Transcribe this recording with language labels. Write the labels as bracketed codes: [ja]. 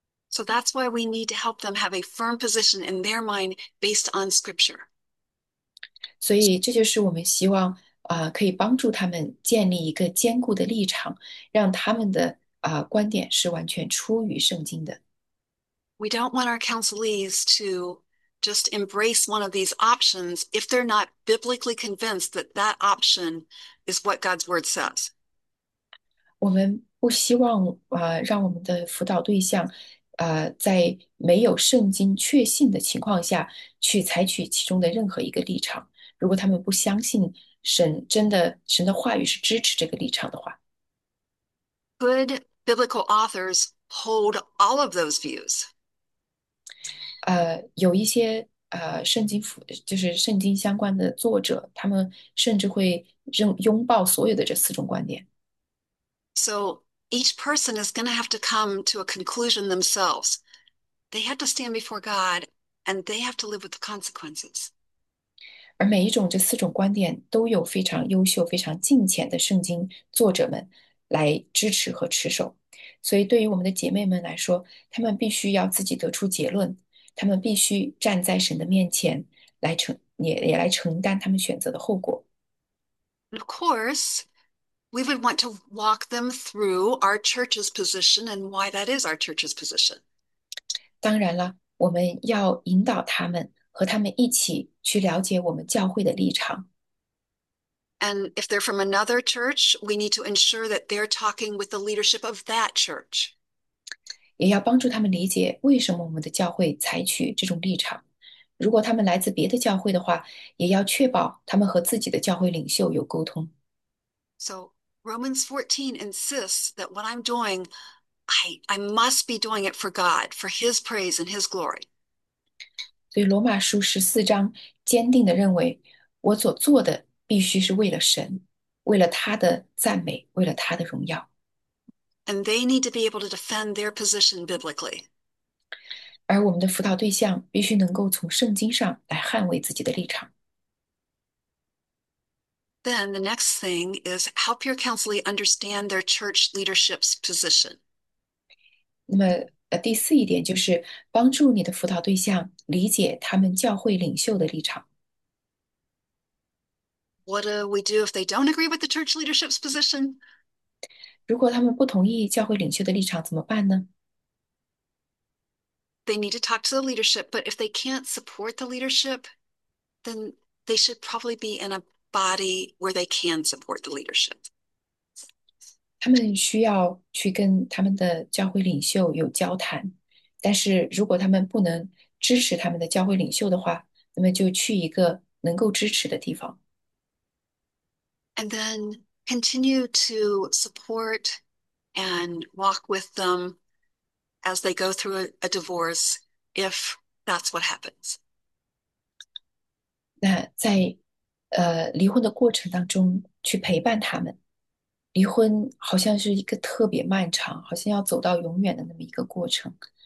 [en] So that's why we need to help them have a firm position in their mind based on scripture. [zh] ”所以，这就是我们希望可以帮助他们建立一个坚固的立场，让他们的观点是完全出于圣经的。 [en] We don't want our counselees to just embrace one of these options if they're not biblically convinced that that option is what God's word says. [zh] 我们不希望让我们的辅导对象在没有圣经确信的情况下去采取其中的任何一个立场。如果他们不相信神的话语是支持这个立场的话， [en] Good biblical authors hold all of those views. [zh] 有一些就是圣经相关的作者，他们甚至会拥抱所有的这四种观点。 [en] So each person is going to have to come to a conclusion themselves. They have to stand before God and they have to live with the consequences. [zh] 而每一种这四种观点都有非常优秀、非常敬虔的圣经作者们来支持和持守，所以对于我们的姐妹们来说，她们必须要自己得出结论，她们必须站在神的面前来承，也来承担她们选择的后果。 [en] And of course, we would want to walk them through our church's position and why that is our church's position. [zh] 当然了，我们要引导她们。和他们一起去了解我们教会的立场。 [en] And if they're from another church, we need to ensure that they're talking with the leadership of that church. [zh] 也要帮助他们理解为什么我们的教会采取这种立场。如果他们来自别的教会的话，也要确保他们和自己的教会领袖有沟通。 [en] So Romans 14 insists that what I'm doing, I must be doing it for God, for His praise and His glory. [zh] 所以罗马书14章坚定地认为，我所做的必须是为了神，为了他的赞美，为了他的荣耀。 [en] And they need to be able to defend their position biblically. [zh] 而我们的辅导对象必须能够从圣经上来捍卫自己的立场。 [en] Then the next thing is help your counselee understand their church leadership's position. [zh] 那么，第四一点就是帮助你的辅导对象理解他们教会领袖的立场。 [en] What do we do if they don't agree with the church leadership's position? [zh] 如果他们不同意教会领袖的立场怎么办呢？ [en] They need to talk to the leadership, but if they can't support the leadership, then they should probably be in a body where they can support the leadership. [zh] 他们需要去跟他们的教会领袖有交谈，但是如果他们不能支持他们的教会领袖的话，那么就去一个能够支持的地方。 [en] And then continue to support and walk with them as they go through a divorce, if that's what happens. [zh] 那在离婚的过程当中，去陪伴他们。离婚好像是一个特别漫长，好像要走到永远的那么一个过程。